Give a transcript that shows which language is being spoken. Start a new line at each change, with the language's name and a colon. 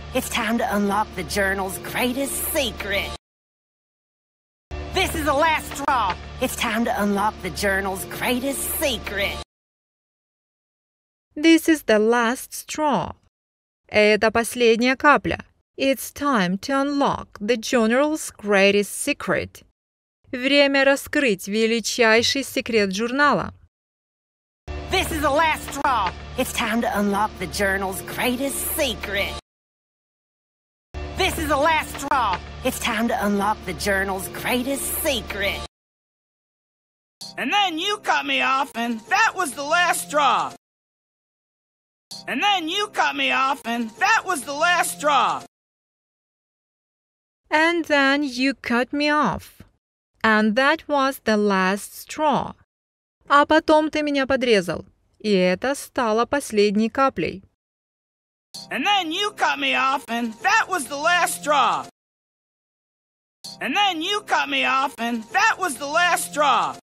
English: It's time to unlock the journal's greatest secret. This is the last straw. It's time to unlock the journal's greatest secret. This is the last straw.
Russian: Это последняя капля.
English: It's time to unlock the journal's greatest secret.
Russian: Время раскрыть величайший секрет журнала.
English: This is the last straw. It's time to unlock the journal's greatest secret. This is the last straw. It's time to unlock the journal's greatest secret. And then you cut me off, and that was the last straw. And then you cut me off, and that was the last straw. And then you cut me off, and that was the last straw.
Russian: А потом ты меня подрезал, и это стало последней каплей.
English: And then you cut me off, and that was the last straw. And then you cut me off, and that was the last straw.